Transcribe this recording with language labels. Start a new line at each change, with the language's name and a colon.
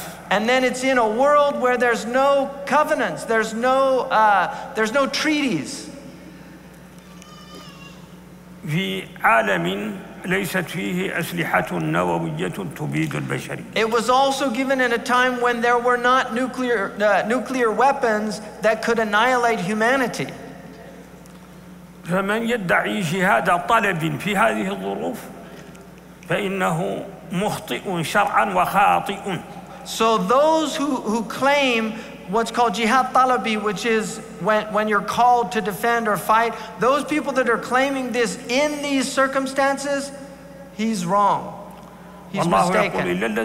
English: And then it's in a world where there's no covenants, there's no treaties.
Arabic: في عالم ليست فيه أسلحة نووية تبيد البشرية.
English: It was also given in a time when there were not nuclear weapons that could annihilate humanity.
Arabic: فمن يدعي جهاد طلب في هذه الظروف فإنه مخطئ شرعا وخاطئ.
English: So those who claim what's called jihad talabi, which is when you're called to defend or fight, those people that are claiming this in these circumstances, he's wrong. He's mistaken.